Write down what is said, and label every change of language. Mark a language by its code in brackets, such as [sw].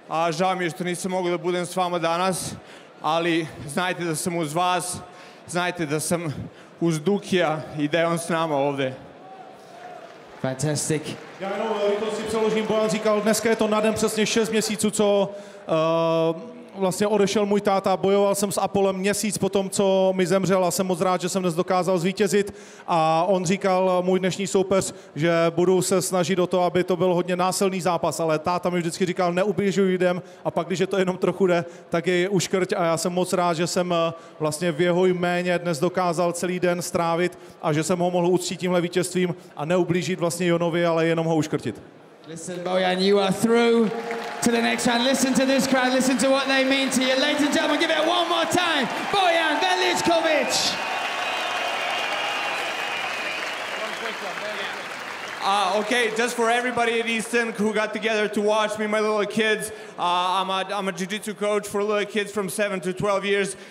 [sr] Žao mi je što nisam mogao da budem s vama danas, ali znajte da sam uz vas, znajte da sam uz Dukija i da je on s nama ovde. [en] Fantastic. [cs] Já jenom to si přeložím, Bojan říkal, dneska je to na den přesně 6 měsíců, co vlastně odešel můj táta, bojoval jsem s Apolem měsíc po tom, co mi zemřel, a jsem moc rád, že jsem dnes dokázal zvítězit. A on říkal, můj dnešní soupeř, že budu se snažit o to, aby to byl hodně násilný zápas, ale táta mi vždycky říkal, neubližuj lidem, a pak, když je to jenom trochu jde, tak jej uškrť. A já jsem moc rád, že jsem vlastně v jeho jméně dnes dokázal celý den strávit a že jsem ho mohl uctít tímhle vítězstvím a neublížit vlastně Jonovi, ale jenom ho uškrtit. [en] Listen, Bojan, you are through to the next round. Listen to this crowd, listen to what they mean to you. Ladies and gentlemen, give it one more time. Bojan Veličković. Okay, just for everybody at Easton who got together to watch me, my little kids, I'm a jiu-jitsu coach for little kids from 7 to 12 years.